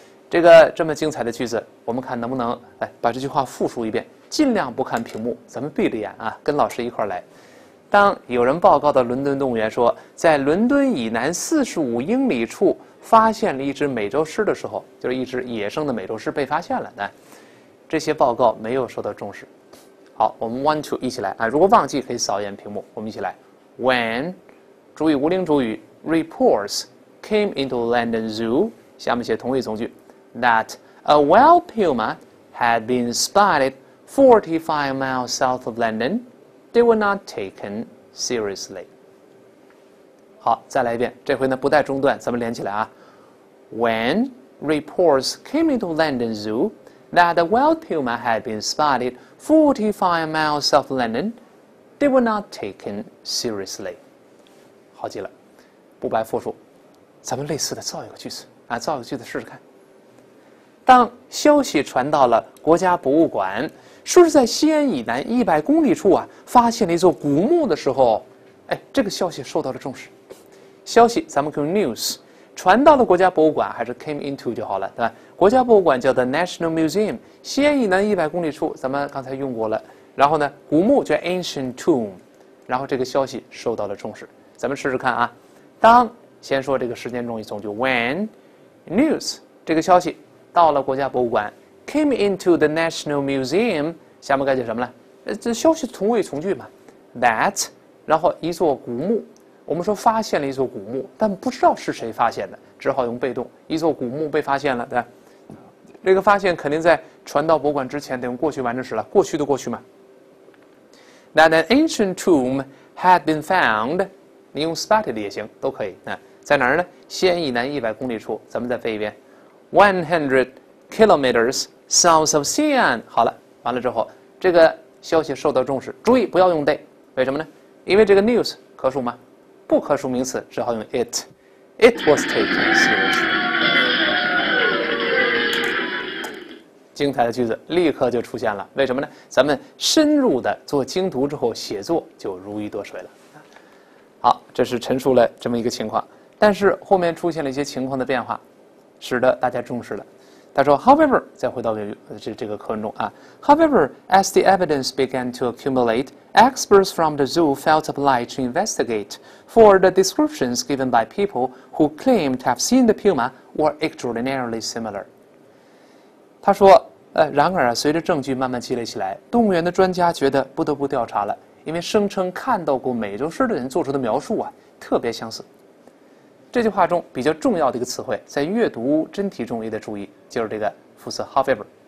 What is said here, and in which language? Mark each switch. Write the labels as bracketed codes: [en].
[zh] 这个这么精彩的句子，我们看能不能来把这句话复述一遍，尽量不看屏幕，咱们闭着眼啊，跟老师一块来。当有人报告到伦敦动物园说，在伦敦以南45英里处发现了一只美洲狮的时候，就是一只野生的美洲狮被发现了，这些报告没有受到重视。好，我们 one two 一起来啊！如果忘记可以扫一眼屏幕，我们一起来。 [en] When [zh] 主语无令主语 [en] reports came into London Zoo， [zh] 下面写同位从句 [en] ，that a wild puma had been spotted 45 miles south of London， they were not taken seriously。 [zh] 好，再来一遍，这回呢不带中断，咱们连起来啊。 [en] When reports came into London Zoo。 That a wild puma had been spotted 45 miles south of London, they were not taken seriously. [zh] 好极了，不白复述。咱们类似的造一个句子啊，造一个句子试试看。当消息传到了国家博物馆，说是在西安以南100公里处啊，发现了一座古墓的时候，这个消息受到了重视。消息咱们可以用 news。传到了国家博物馆，还是 [en] came into [zh] 就好了，对吧？国家博物馆叫 [en] the National Museum， [zh] 西安以南100公里处，咱们刚才用过了。然后呢，古墓叫 ancient tomb， 然后这个消息受到了重视。咱们试试看啊，当先说这个时间中一从句 [en] when news [zh] 这个消息到了国家博物馆 [en] came into the National Museum， [zh] 下面该叫什么了？这消息同位从句嘛 ，that， 然后一座古墓。我们说发现了一座古墓，但不知道是谁发现的，只好用被动。一座古墓被发现了，对吧？这个发现肯定在传到博物馆之前，得用过去完成时了，过去的过去嘛。 [en] That an ancient tomb had been found， [zh] 你用 spotted 也行，都可以。在哪儿呢？西安以南100公里处。咱们再背一遍 ， [en] 100 kilometers south of Xi'an。 [zh] 好了，完了之后，这个消息受到重视。注意不要用 they， 为什么呢？因为这个 news 可数吗？不可数名词，只好用 it。 [en] It was taken seriously。 [zh] 精彩的句子立刻就出现了，为什么呢？咱们深入的做精读之后，写作就如鱼得水了。好，这是陈述了这么一个情况，但是后面出现了一些情况的变化，使得大家重视了。他说 [en] ，However， [zh] 再回到这个课文中啊 [en] ，However， as the evidence began to accumulate。 Experts from the zoo felt obliged to investigate, for the descriptions given by people who claimed to have seen the puma were extraordinarily similar. [zh] 他说，然而，随着证据慢慢积累起来，动物园的专家觉得不得不调查了，因为声称看到过美洲狮的人做出的描述啊，特别相似。这句话中比较重要的一个词汇，在阅读真题中也得注意，就是这个副词 however。